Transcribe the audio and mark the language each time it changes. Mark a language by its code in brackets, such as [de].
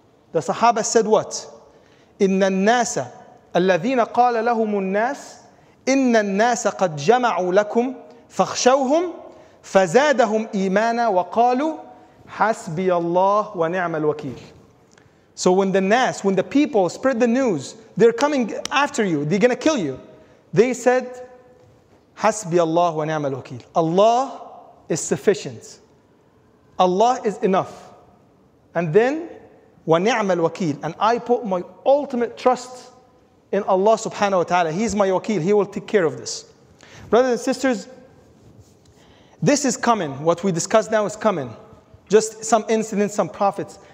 [en] The Sahaba said what? [ar] إِنَّ النَّاسَ الَّذِينَ قَالَ لَهُمُ النَّاسِ إِنَّ النَّاسَ قَدْ جَمَعُوا لَكُمْ فَخْشَوْهُمْ فَزَادَهُمْ إِيمَانًا وَقَالُوا حسبي الله ونعم الوكيل. [en] So when the nas, when the people spread the news, they're coming after you, they're gonna kill you. They said, [ar] حسبي الله ونعم الوكيل. [en] Allah is sufficient. Allah is enough. And then, [ar] ونعم الوكيل. [en] And I put my ultimate trust in Allah subhanahu wa ta'ala. He's my wakil. He will take care of this. Brothers and sisters, this is coming. What we discuss now is coming. Just some incidents, some prophets.